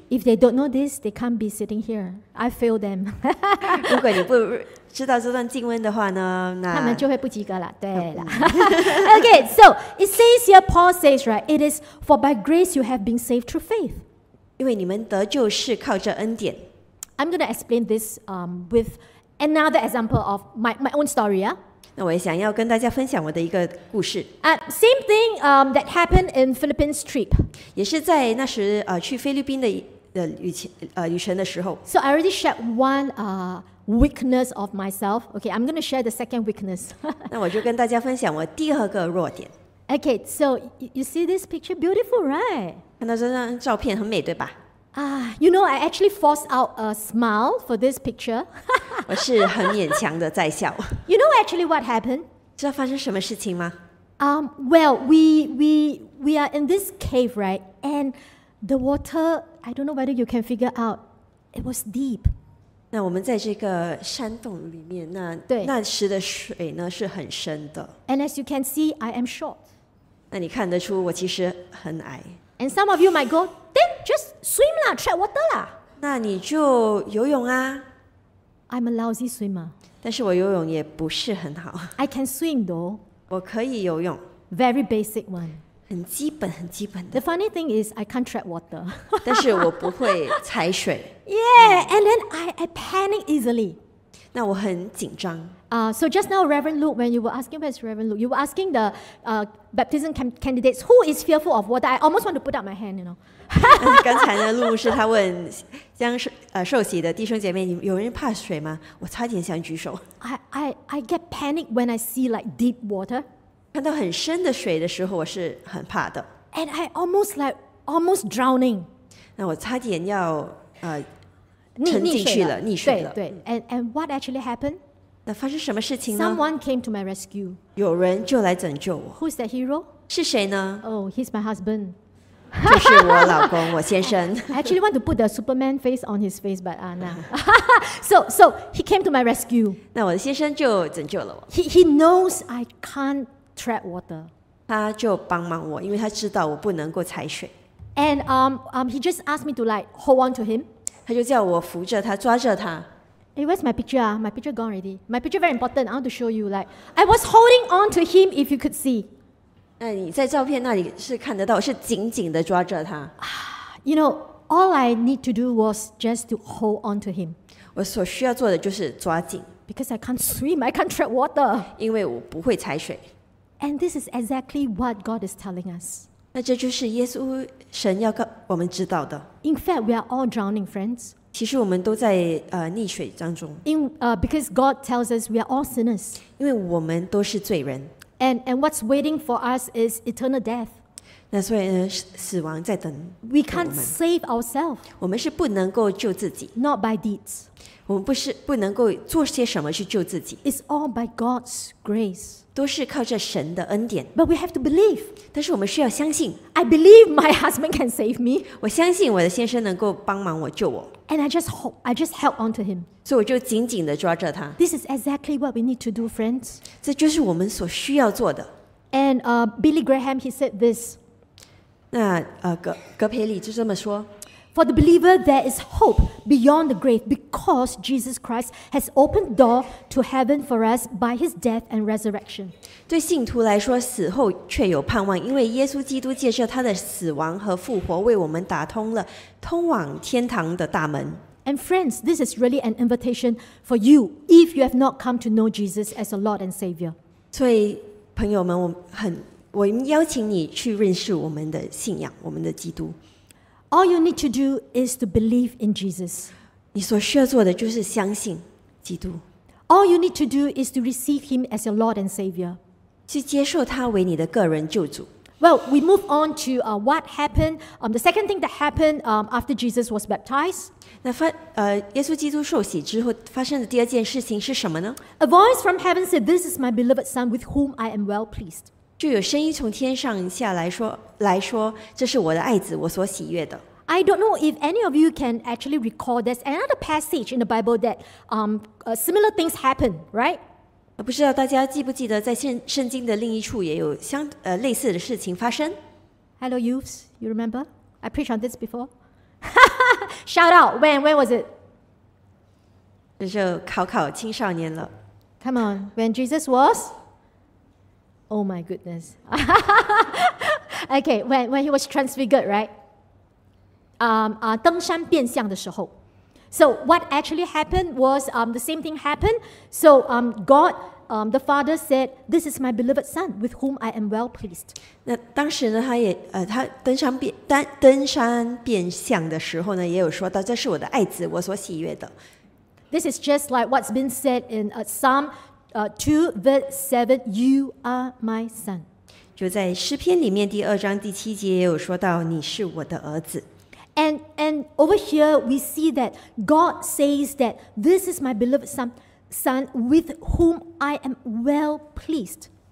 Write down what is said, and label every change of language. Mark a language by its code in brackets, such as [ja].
[en] If they don't know this, they can't be sitting here. I fail them. [zh] 如果你不知道这段经文的话呢，那他们就会不及格了。对了。 [en] Okay, so it says here, Paul says, right? It is for by grace you have been saved through faith. [zh] 因为你们得救是靠着恩典。 [en] I'm going to explain this with another example of my own story. Yeah. [zh] 那我也想要跟大家分享我的一个故事。 [en] Same thing that happened in Philippines trip. [zh] 也是在那时去菲律宾的旅程的时候。 [en] So I already shared one weakness of myself. Okay, I'm going to share the second weakness. [zh] 那我就跟大家分享我第二个弱点。 [en] Okay, so you see this picture beautiful, right? [zh] 看到这张照片很美，对吧？ [en] You know, I actually forced out a smile for this picture. [zh] 我是很勉强的在笑。 [en] You know actually what happened? [zh] 知道发生什么事情吗？ [en] Well, we are in this cave, right? And the water, I don't know whether you can figure out, it was deep. [zh] 那我们在这个山洞里面，那对那时的水呢是很深的。 [en] And as you can see, I am short. [zh] 那你看得出我其实很矮。 [en] And some of you might go, then just swim lah, tread water lah. [zh] 那你就游泳啊。 [en] I'm a lousy swimmer. [zh] 但是我游泳也不是很好。 [en] I can swim though. [zh] 我可以游泳。 [en] Very basic one. [zh] 很基本，很基本的。 [en] The funny thing is, I can't tread water. [zh] 但是我不会踩水。 [en] Yeah, and then I panic easily. [zh] 那我很紧张。 [en] So just now, Reverend Luke, when you were asking, where's Reverend Luke? You were asking the baptism candidates, who is fearful of water? I almost want to put up my hand, you know. [zh] 刚才呢，陆牧师他问将受洗的弟兄姐妹，你有人怕水吗？我差点想举手。 [en] I get panicked when I see like deep water. [zh] 看到很深的水的时候，我是很怕的。 [en] And I almost drowning. [zh] 那我差点要沉进去了，溺水了。对对。 [en] And what actually happened? [zh] 那发生什么事情呢？ [en] Someone came to my rescue. [zh] 有人就来拯救我。 [en] Who's that hero? [zh] 是谁呢？ [en] Oh, he's my husband. [zh] 就是我老公，我先生。 [en] I actually want to put the Superman face on his face, but So he came to my rescue. [zh] 那我的先生就拯救了我。 [en] He knows I can't tread water. [zh] 他就帮忙我，因为他知道我不能够踩水。 [en] And he just asked me to like hold on to him. [zh] 他就叫我扶着他，抓着他。 [en] Hey, where's my picture? My picture gone already. My picture very important. I want to show you. Like, I was holding on to him. If you could see, [zh] 那你在照片那里是看得到，我是紧紧的抓着他。 [en] You know, all I need to do was just to hold on to him. [zh] 我所需要做的就是抓紧。 [en] Because I can't swim, I can't tread water. [zh] 因为我不会踩水。 [en] And this is exactly what God is telling us. [zh] 那这就是耶稣神要告我们知道的。 [en] In fact, we are all drowning, friends. [zh] 其实我们都在溺水当中。 [en] Because God tells us we are all sinners. [zh] 因为我们都是罪人。 [en] And what's waiting for us is eternal death. [zh] 那所以死亡在等。 [en] We can't save ourselves. [zh] 我们是不能够救自己。 [en] Not by deeds. [zh] 我们不能够做些什么去救自己。 [en] It's all by God's grace. [zh] 都是靠着神的恩典。 [en] But we have to believe. [zh] 但是我们需要相信。 [en] I believe my husband can save me. [zh] 我相信我的先生能够帮忙我救我。 [en] And I just held on to him. [zh] 所以我就紧紧地抓着他。 [en] This is exactly what we need to do, friends. [zh] 这就是我们所需要做的。 [en] And Billy Graham, he said this. [zh] 那格培里就这么说。 [en] For the believer, there is hope beyond the grave because Jesus Christ has opened the door to heaven for us by his death and resurrection. [zh] 对信徒来说，死后却有盼望，因为耶稣基督借着他的死亡和复活，为我们打通了通往天堂的大门。 [en] And friends, this is really an invitation for you if you have not come to know Jesus as a Lord and Savior. [zh] 所以，朋友们，我邀请你去认识我们的信仰，我们的基督。 [en] All you need to do is to believe in Jesus. [zh] 你所需要做的就是相信基督。 [en] All you need to do is to receive him as your Lord and Savior. [zh] 去接受他为你的个人救主。 [en] Well, we move on to what happened. The second thing that happened after Jesus was baptized. [zh] 那发耶稣基督受洗之后发生的第二件事情是什么呢？ [en] A voice from heaven said, "This is my beloved Son, with whom I am well pleased." [zh] 就有声音从天上下来说，这是我的爱子，我所喜悦的。 [en] I don't know if any of you can actually recall. There's another passage in the Bible that similar things happen, right? [zh] 不知道大家记不记得，在圣经的另一处也有相类似的事情发生。 [en] Hello, youths, you remember? I preached on this before. Shout out. When was it? [zh] 这就考考青少年了。 [en] Come on, when Jesus was? Oh my goodness. Okay, when he was transfigured, right? [zh] 登山变相的时候。 [en] So what actually happened was the same thing happened. So God, the Father said, "This is my beloved Son, with whom I am well pleased." [zh] 那当时呢，他也他登山变相的时候呢，也有说到，这是我的爱子，我所喜悦的。 [en] This is just like what's been said in Psalm 2:7. You are my son. [zh] 就在诗篇里面第二章第七节也有说到，你是我的儿子。 [en] And over here we see that God says that this is my beloved son with whom I am well pleased.